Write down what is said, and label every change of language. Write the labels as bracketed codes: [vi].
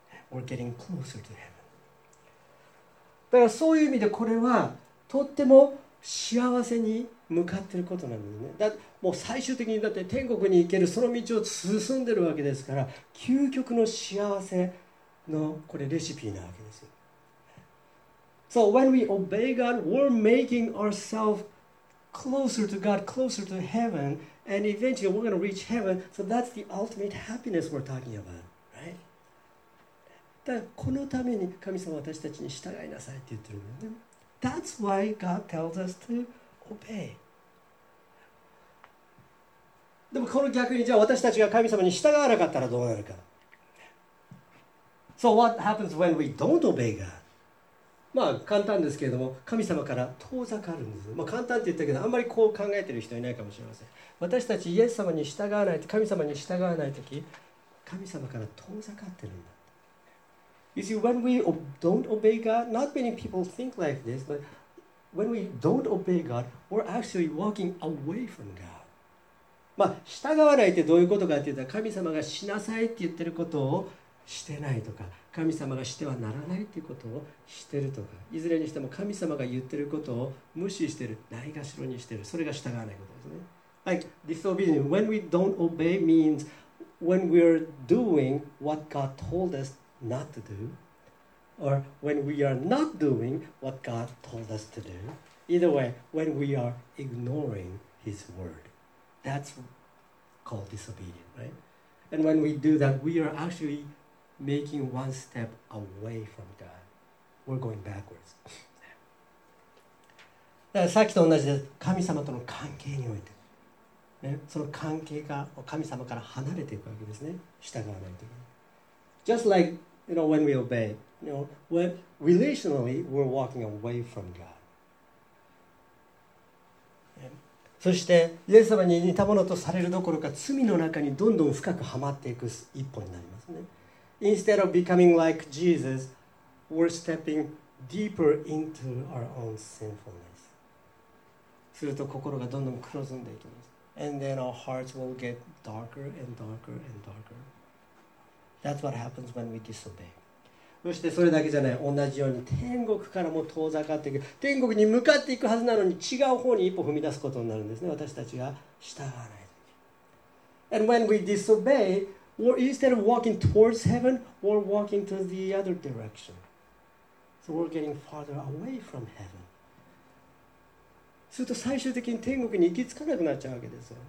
[en] We're getting closer to heaven. [ja] だからそういう意味でこれはとっても幸せに向かっていることなんですね。だもう最終的にだって天国に行けるその道を進んでるわけですから究極の幸せのこれレシピなわけですよ。 [en] So when we obey God, we're making ourselves closer to God, closer to heaven, and eventually we're going to reach heaven. So that's the ultimate happiness we're talking about, right? [ja] だこのために神様私たちに従いなさいって言ってるのね。 [en] That's why God tells us toobey. [ja] でもこの逆にじゃあ私たちが神様に従わなかったらどうなるか。 [en] So what happens when we don't obey God? [ja] まあ簡単ですけれども神様から遠ざかるんです。まあ簡単って言ったけどあんまりこう考えてる人いないかもしれません。私たちイエス様に従わないと神様に従わないとき神様から遠ざかってるんだ。 [en] You see, when we don't obey God, not many people think like this, butWhen we don't obey God, we're actually walking away from God. [ja] まあ従わないってどういうことかって言ったら神様がしなさいって言ってることをしてないとか神様がしてはならないっていうことをしてるとかいずれにしても神様が言ってることを無視してるないがしろにしてる、それが従わないことですね。 [en] Like disobedience, when we don't obey means when we're doing what God told us not to doOr when we are not doing what God told us to do. Either way, when we are ignoring His word. That's called disobedience, right? And when we do that, we are actually making one step away from God. We're going backwards. [ja] だからさっきと同じで、神様との関係において、ね、その関係が神様から離れていくわけですね。従わないと。 [en] Just like, you know, when we obey. You know, when relationally we're walking away from God. [ja] そしてイエス様に似たものとされるどころか罪の中にどんどん深くはまっていく一歩になりますね。 [en] Instead of becoming like Jesus, we're stepping deeper into our own sinfulness. [ja] すると心がどんどん黒ずんでいきます。 [en] And then our hearts will get darker and darker and darker. That's what happens when we disobey. [ja] そしてそれだけじゃない、同じように天国からも遠ざかっていく、天国に向かっていくはずなのに違う方に一歩踏み出すことになるんですね。私たちが従わない。 [en] And when we disobey, we're instead of walking towards heaven, we're walking to the other direction. So we're getting farther away from heaven. [ja] すると最終的に天国に行き着かなくなっちゃうわけですよ。